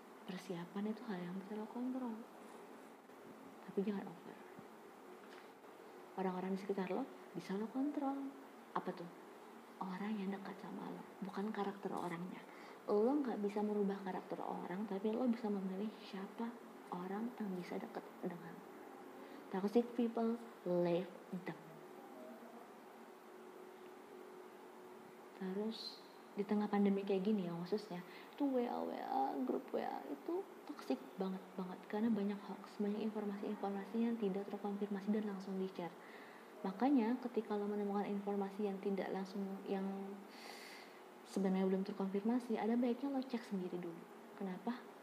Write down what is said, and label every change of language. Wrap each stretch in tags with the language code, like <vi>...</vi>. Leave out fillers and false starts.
<id>Persiapan itu hal yang bisa lo kontrol. Tapi jangan over. Orang-orang di sekitar lo bisa lo kontrol. Apa tuh? Orang yang dekat sama lo, bukan karakter orangnya. Lo gak bisa merubah karakter orang, tapi lo bisa memilih siapa orang yang bisa dekat dengan lo.</id> <en>Toxic people leave them.</en> <id>Terus di tengah pandemi kayak gini ya, khususnya itu WA, grup WA itu toxic banget, karena banyak hoax, banyak informasi-informasi yang tidak terkonfirmasi dan langsung di-share. Makanya ketika lo menemukan informasi yang tidak langsung, yang sebenarnya belum terkonfirmasi, ada baiknya lo cek sendiri dulu. Kenapa?</id>